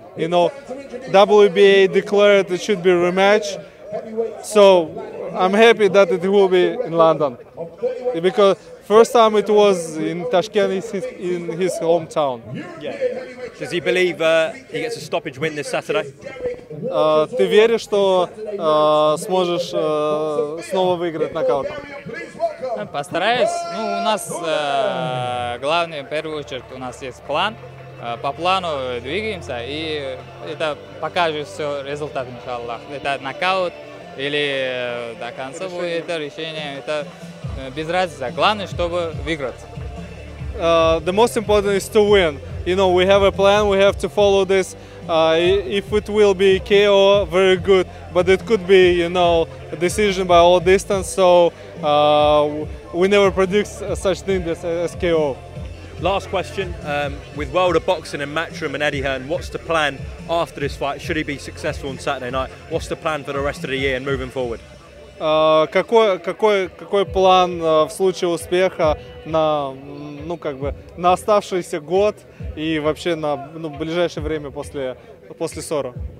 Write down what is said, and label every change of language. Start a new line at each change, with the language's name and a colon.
English: You know, WBA declared it should be a rematch. So I'm happy that it will be in London. Because first time it was in Tashkent, in his hometown. Yeah. Does he believe he gets a stoppage win this Saturday?
Russian: Ты веришь, что сможешь снова выиграть нокаутом? Постараюсь. Ну, у нас главное, в первую очередь, у нас есть план. По плану двигаемся, и это покажет все результат, иншаллах. Это нокаут или до конца будет это решение. Это без разницы. Главное, чтобы выиграть.
English: The most important is to win. You know, we have a plan, we have to follow this. If it will be KO, very good. But it could be, you know, a decision by all distance. So we never predict such thing as KO. Last question. With World of Boxing and Matchroom and Eddie Hearn, what's the plan after this fight? Should he be successful on Saturday night? What's the plan for the rest of the year and moving forward?
Russian: Какой план в случае успеха на, ну, как бы, на оставшийся год и вообще на, ну, ближайшее время после Соро?